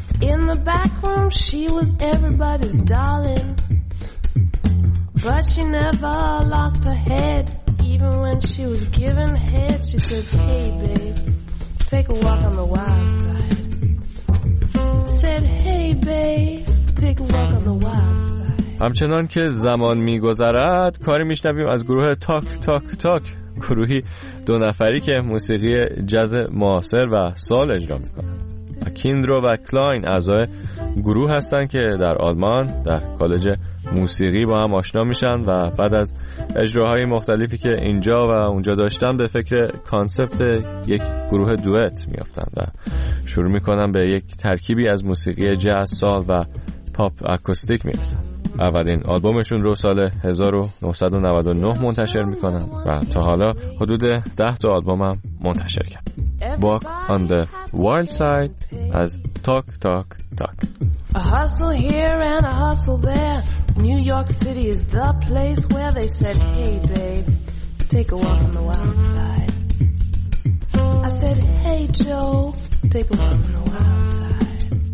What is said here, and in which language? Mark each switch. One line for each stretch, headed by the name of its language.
English: In the back room, she was everybody's darling. But she never lost her head. Even when she was given head, she says, hey babe, take a walk on the wild side. Said, hey babe, take a walk on the wild side.
Persian: همچنان که زمان میگذرد کاری میشنویم از گروه تاک تاک تاک، گروهی دو نفری که موسیقی جاز معاصر و سال اجرا میکنند. کیندرو و کلاین اعضای گروه هستند که در آلمان در کالج موسیقی با هم آشنا میشن و بعد از اجراهای مختلفی که اینجا و اونجا داشتن به فکر کانسپت یک گروه دوئت میافتند و شروع میکنن به یک ترکیبی از موسیقی جاز سال و پاپ اکوستیک میرسن. اولین آلبومشون رو سال 1999 منتشر میکنن و تا حالا حدود 10 تا آلبوم هم منتشر کرد.
English: Walk on the wild side as talk, talk, talk. A hustle here and a hustle there. New York City is the place where they said, hey babe, take a walk on the wild side. I said, hey Joe, take a walk on the wild side.